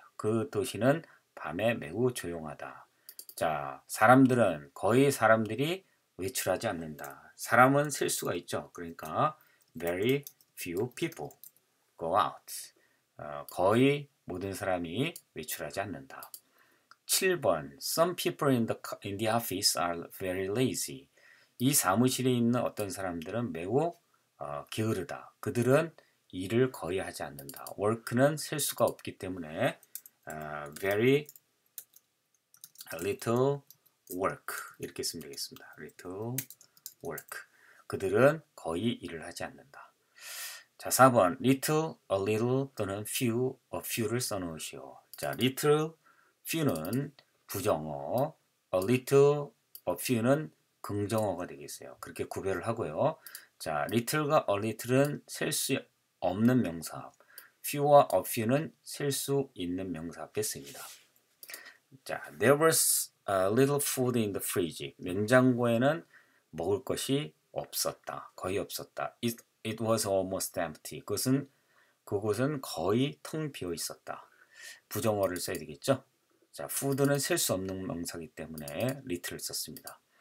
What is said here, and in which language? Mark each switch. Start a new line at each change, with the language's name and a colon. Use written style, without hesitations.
Korean: 그 도시는 밤에 매우 조용하다. 자, 사람들은 거의 사람들이 외출하지 않는다. 사람은 셀 수가 있죠. 그러니까
English: very few people go out.
Korean: 거의 모든 사람이 외출하지 않는다.
English: 7번 Some people in the office are very lazy.
Korean: 이 사무실에 있는 어떤 사람들은 매우 게으르다. 그들은 일을 거의 하지 않는다. work는 셀 수가 없기 때문에
English: very little work
Korean: 이렇게 쓰면 되겠습니다.
English: little work
Korean: 그들은 거의 일을 하지 않는다. 자, 4번 little, a little 또는 few, a few를 써놓으시오. 자, little, few는 부정어, a little, a few는 긍정어가 되겠어요. 그렇게 구별을 하고요. 자, little과 a little은 셀 수 없는 명사 few와 a few는 셀 수 있는 명사 앞에 씁니다.
English: 자, there was a little food in the fridge.
Korean: 냉장고에는 먹을 것이 없었다. 거의 없었다.
English: It was almost empty.
Korean: 그곳은 거의 텅 비어 있었다. 부정어를 써야 되겠죠? 자, food는 셀 수 없는 명사이기 때문에 little을 썼습니다.